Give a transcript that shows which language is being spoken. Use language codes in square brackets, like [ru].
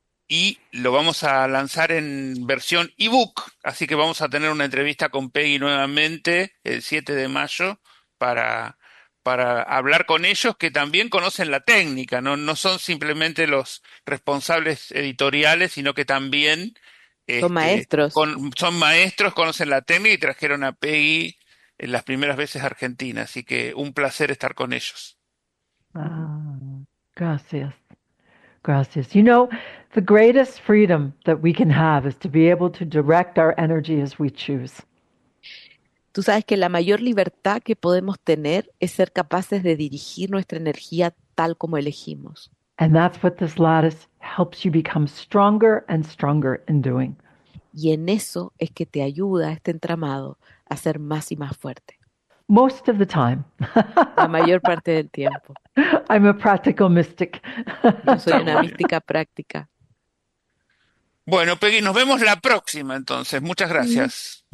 [es] Y lo vamos a lanzar en versión ebook, así que vamos a tener una entrevista con Peggy nuevamente el 7 de mayo para hablar con ellos que también conocen la técnica, ¿no? No son simplemente los responsables editoriales, sino que también Son maestros. son maestros, conocen la técnica y trajeron a Peggy en las primeras veces a Argentina, así que un placer estar con ellos. Gracias. Gracias. [en] You know, the greatest freedom that we can have is to be able to direct our energy as we choose. [es] Tú sabes que la mayor libertad que podemos tener es ser capaces de dirigir nuestra energía tal como elegimos. [en] And that's what this lattice helps you become stronger and stronger in doing. [es] Y en eso es que te ayuda este entramado a ser más y más fuerte. [en] Most of the time. [es] La mayor parte del tiempo. [en] I'm a practical mystic. [es] Yo soy Está bueno. mística práctica. Bueno, Peggy, nos vemos la próxima entonces. Muchas gracias.